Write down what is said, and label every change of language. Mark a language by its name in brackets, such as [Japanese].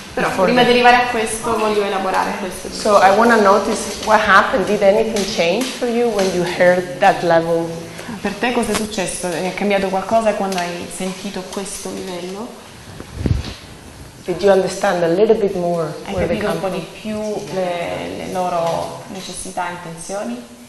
[Italian] Però prima di arrivare a questo, voglio elaborare questo. [English] So I want to notice what happened. Did anything change for you when you heard that level? [Italian] Per te cosa è successo? È cambiato qualcosa quando hai sentito questo livello? [English] Did you understand a little bit more? [Italian] Hai capito un po' di più le loro necessità e intenzioni?